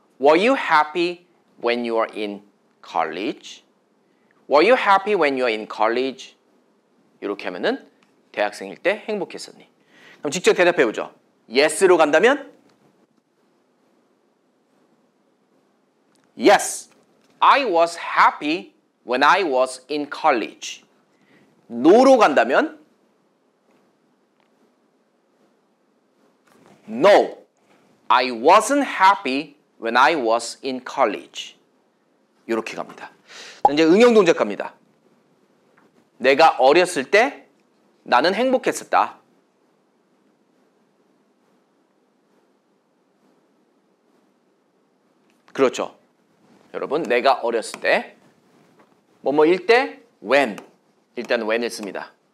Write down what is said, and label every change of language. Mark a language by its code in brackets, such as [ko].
[en] Were you happy when you were in college? Were you happy when you were in college? [ko] 이렇게 하면은 대학생일 때 행복했었니? 그럼 직접 대답해 보죠. Yes로 간다면? [en] Yes, I was happy when I was in college. [ko] No로 간다면? [en] No, I wasn't happy when I was in college. [ko] 이렇게 갑니다. 이제 응용동작 갑니다. 내가 어렸을 때 나는 행복했었다. 그렇죠. 여러분, 내가 어렸을 때 뭐뭐일 때 when. 일단 when을 씁니다.